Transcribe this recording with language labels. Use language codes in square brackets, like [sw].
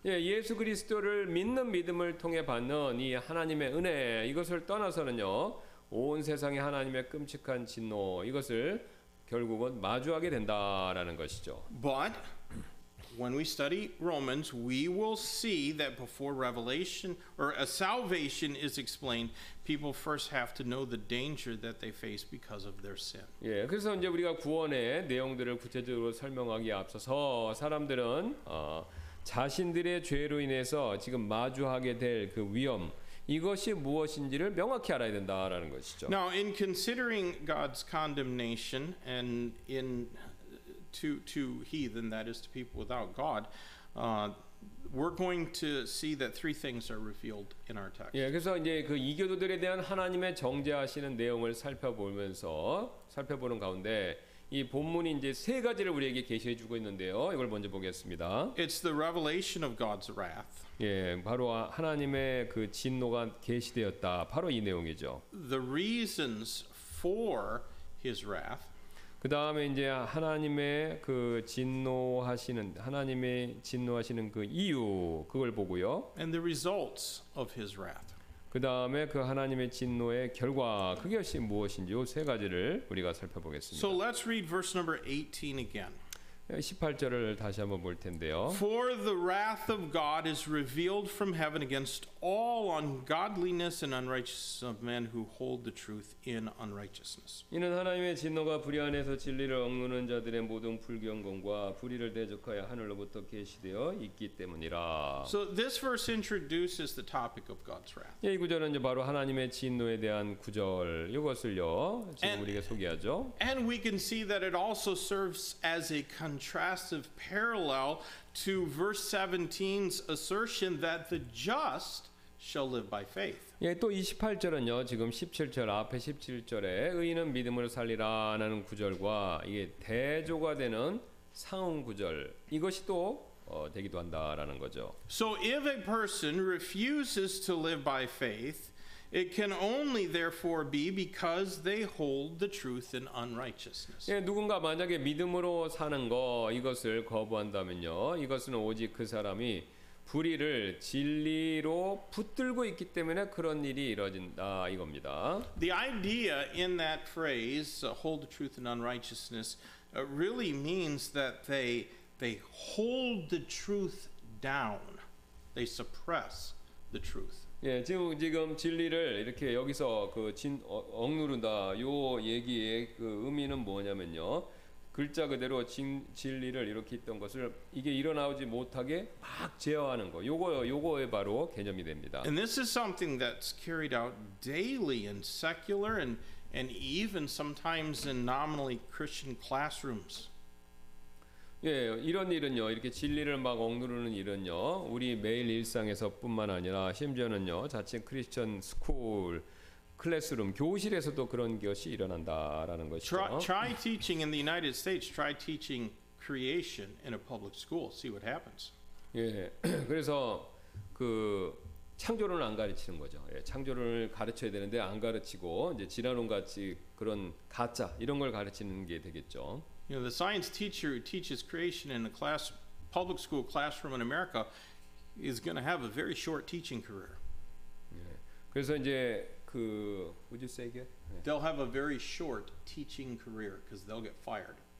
[ko] 예, 예수 그리스도를 믿는 믿음을 통해 받는 이 하나님의 은혜 이것을 떠나서는요 온 세상의 하나님의 끔찍한 진노 이것을 결국은 마주하게 된다라는 것이죠. [en] But when we study Romans, we will see that before revelation or a salvation is explained, people first have to know the danger that they face because of their sin. [ko] 예, 그래서 이제 우리가 구원의 내용들을 구체적으로 설명하기 앞서서 사람들은 자신들의 죄로 인해서 지금 마주하게 될 그 위험 이것이 무엇인지를 명확히 알아야 된다라는 것이죠. [en] Now, in considering God's condemnation and in to heathen, that is to people without God, we're going to see that three things are revealed in our text. [ko] 예, 그래서 이제 그 이교도들에 대한 하나님의 정죄하시는 내용을 살펴보는 가운데 이 본문이 이제 세 가지를 우리에게 계시해 주고 있는데요. 이걸 먼저 보겠습니다. [en] It's the revelation of God's wrath. [ko] 예, 바로 하나님의 그 진노가 계시되었다. 바로 이 내용이죠. [en] The reasons for His wrath. [ko] 그 다음에 이제 하나님의 그 진노하시는 하나님의 진노하시는 그 이유 그걸 보고요. [en] And the results of His wrath. [ko] 그 다음에 그 하나님의 진노의 결과 그것이 무엇인지 요 세 가지를 우리가 살펴보겠습니다. [en] So let's read verse number 18 again. [ko] 18절을 다시 한번 볼 텐데요. [en] For the wrath of God is revealed from heaven against all ungodliness and unrighteousness of men who hold the truth in unrighteousness. [ko] 이는 하나님의 진노가 불의 안에서 진리를 억누르는 자들의 모든 불경건과 불의를 대적하여 하늘로부터 계시되어 있기 때문이라. [en] So this verse introduces the topic of God's wrath. [ko] 예, 이 구절은 이제 바로 하나님의 진노에 대한 구절 이것을요 지금 and, 우리가 소개하죠. [en] And we can see that it also serves as a contrastive parallel to verse 17's assertion that the just shall live by faith. [ko] 예, 또 28절은요. 지금 17절 앞에 17절에 의인은 믿음으로 살리라라는 구절과 이게 대조가 되는 상응 구절 이것이 또 되기도 한다라는 거죠. [en] So if a person refuses to live by faith, it can only therefore be because they hold the truth in unrighteousness. [ko] 예, 누군가 만약에 믿음으로 사는 거 이것을 거부한다면요. 이것은 오직 그 사람이 불의를 진리로 붙들고 있기 때문에 그런 일이 이루어진다 이겁니다. [en] The idea in that phrase hold the truth in unrighteousness really means that they hold the truth down. They suppress the truth. [ko] 예, 지금 진리를 이렇게 여기서 그 진 억누른다. 요 얘기의 그 의미는 뭐냐면요. 글자 그대로 진리를 이렇게 있던 것을 이게 일어나오지 못하게 막 제어하는 거. 요거에 바로 개념이 됩니다. [en] And this is something that's carried out daily in secular and even sometimes in nominally Christian classrooms. [ko] 예, 이런 일은요, 이렇게 진리를 막 억누르는 일은요, 우리 매일 일상에서뿐만 아니라 심지어는요, 자칭 크리스천 스쿨 클래스룸 교실에서도 그런 것이 일어난다라는 것이죠. [en] Try teaching in the United States. Try teaching creation in a public school. See what happens. [ko] 예, 그래서 그 창조론을 안 가르치는 거죠. 예, 창조론을 가르쳐야 되는데 안 가르치고 이제 진화론 같이 그런 가짜 이런 걸 가르치는 게 되겠죠. [en] You know, the science teacher who teaches creation in a class, public school classroom in America, is going to have a very short teaching career. [ko] 예, 그래서 이제 그 [en] would you say again? They'll have a very short teaching career because they'll get fired.